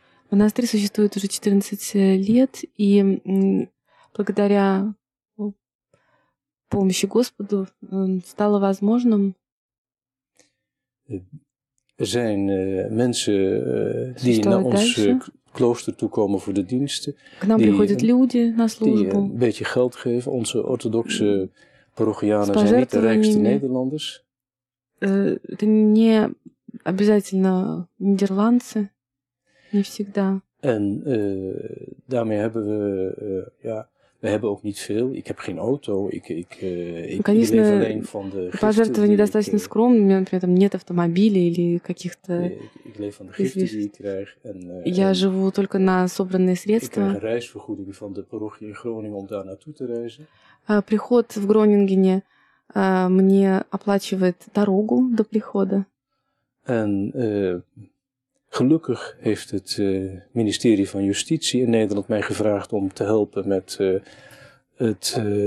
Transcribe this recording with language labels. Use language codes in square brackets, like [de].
[ru] Монастырь существует уже 14 лет, и благодаря помощи Господу стало возможным. [nl] Er zijn mensen die naar ons klooster toekomen voor de diensten. [ru] К нам приходят люди на службу. [nl] Die een beetje geld geven, onze orthodoxe parochianen zijn niet de rijkste Nederlanders. [ru] Это не обязательно Нидерландцы. Не всегда. [nl] En daarmee hebben we, ja, we hebben ook niet veel. Ik heb geen auto. Ik leef alleen van de gisten. [ru] Пожертвования недостаточно скромные. У меня, например, нет автомобиля или каких-то... [nl] Ik leef van de gisten die ik krijg. [ru] Я живу только на собранные средства. [nl] Ik krijg een reisvergoeding van de parochie in Groningen om daar naartoe te reizen. [ru] Приход в Гронингене мне оплачивает дорогу до прихода. [nl] En gelukkig heeft het ministerie van Justitie in Nederland mij gevraagd om te helpen met het